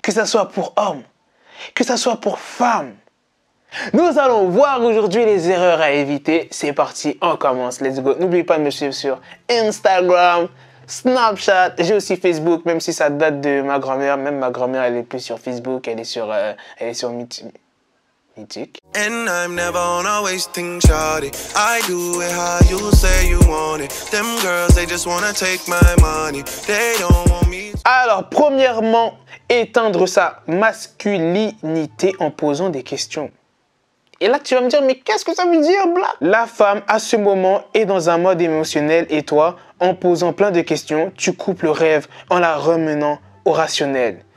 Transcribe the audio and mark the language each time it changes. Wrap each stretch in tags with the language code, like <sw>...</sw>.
<fr>Que ça soit pour homme, que ça soit pour femme. Nous allons voir aujourd'hui les erreurs à éviter. C'est parti, on commence,</fr> <en>let's go.</en> <fr>N'oublie pas de me suivre sur Instagram, Snapchat, j'ai aussi Facebook, même si ça date de ma grand-mère. Même ma grand-mère, elle est plus sur Facebook, elle est sur Mythic.</fr> <en>And I'm never on a wasting shawty. I do it how you say you want it. Them girls, they just wanna take my money. They don't want me.</en> <fr>Alors, premièrement, éteindre sa masculinité en posant des questions. Et là, tu vas me dire, mais qu'est-ce que ça veut dire, Bla? La femme, à ce moment, est dans un mode émotionnel et toi, en posant plein de questions, tu coupes le rêve en la remenant au rationnel.</fr>